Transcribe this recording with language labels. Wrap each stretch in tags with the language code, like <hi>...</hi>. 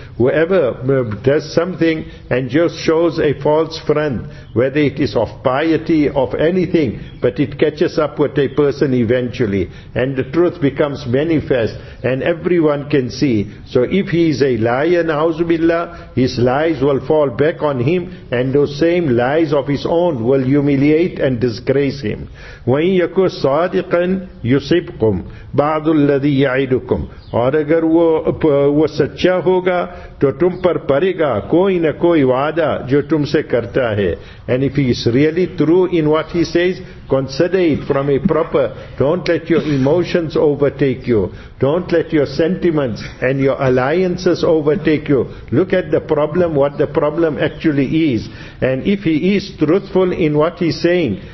<en>Whoever does something and just shows a false front, whether it is of piety, of anything, but it catches up with a person eventually, and the truth becomes manifest, and everyone can see. So if he is a liar, na'uzubillah, his lies will fall back on him, and those same lies of his own will humiliate and disgrace him.</en> <ar>وَإِن يَكُوْ صَادِقًا يُصِبْكُمْ بَعْضُ الَّذِي يَعِدُكُمْ,</ar> <ur>اور اگر وہ سچا ہوگا تو تم پر پرے گا کوئی نہ کوئی وعدہ جو تم سے کرتا ہے.</ur> <en>And if he is really true in what he says, consider it from a proper, don't let your emotions overtake you, don't let your sentiments and your alliances overtake you. Look at the problem, what the problem actually is. And if he is truthful in what he's saying,</en>